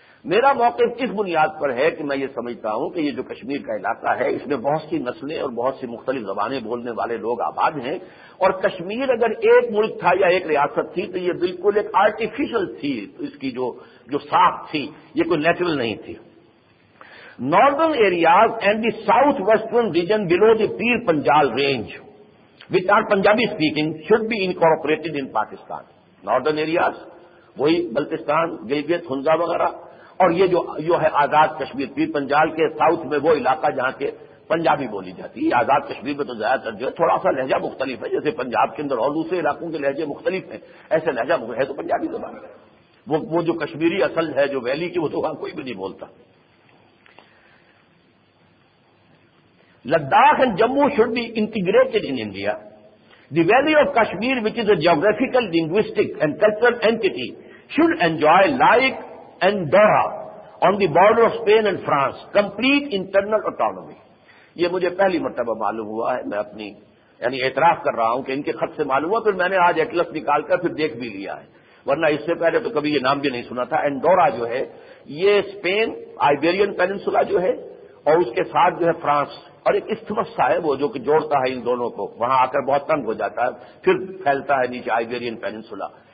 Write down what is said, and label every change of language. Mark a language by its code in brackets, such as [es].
[ur] میرا موقف کس بنیاد پر ہے کہ میں یہ سمجھتا ہوں کہ یہ جو کشمیر کا علاقہ ہے اس میں بہت سی نسلیں اور بہت سی مختلف زبانیں بولنے والے لوگ آباد ہیں, اور کشمیر اگر ایک ملک تھا یا ایک ریاست تھی تو یہ بالکل ایک آرٹیفیشل تھی, اس کی جو ساخت تھی یہ کوئی نیچرل نہیں تھی. [en] Northern areas and the southwestern region below the Peer Panjal range, which are Punjabi speaking, should be incorporated in Pakistan. [ur] Northern areas, وہی بلتستان, گلگت, ہنزا وغیرہ, اور یہ جو ہے آزاد کشمیر, پیر پنجال کے ساؤتھ میں وہ علاقہ جہاں کے پنجابی بولی جاتی ہے. آزاد کشمیر میں تو زیادہ تر جو ہے تھوڑا سا لہجہ مختلف ہے, جیسے پنجاب کے اندر اور دوسرے علاقوں کے لہجے مختلف ہیں, ایسے لہجہ ہے تو پنجابی زبان ہے. وہ جو کشمیری اصل ہے جو ویلی کی, وہ تو وہاں کوئی بھی نہیں بولتا. [en] Ladakh and Jammu should be integrated in India. The valley of Kashmir which is a geographical linguistic and cultural entity should enjoy like Andorra on the border of Spain and France complete internal autonomy. [ur] یہ مجھے پہلی مرتبہ معلوم ہوا ہے, میں اپنی یعنی اعتراف کر رہا ہوں کہ ان کے خط سے معلوم ہوا, پھر میں نے آج ایٹلس نکال کر پھر دیکھ بھی لیا ہے, ورنہ اس سے پہلے تو کبھی یہ نام بھی نہیں سنا تھا. اینڈورا جو ہے یہ اسپین آئبیرین پیننسولا جو ہے اور اس کے ساتھ جو ہے فرانس, اور ایک استھمس سا ہے وہ جو کہ جوڑتا ہے ان دونوں کو, وہاں آ کر بہت تنگ ہو جاتا ہے پھر پھیلتا ہے نیچے آئبیرین پیننسولا.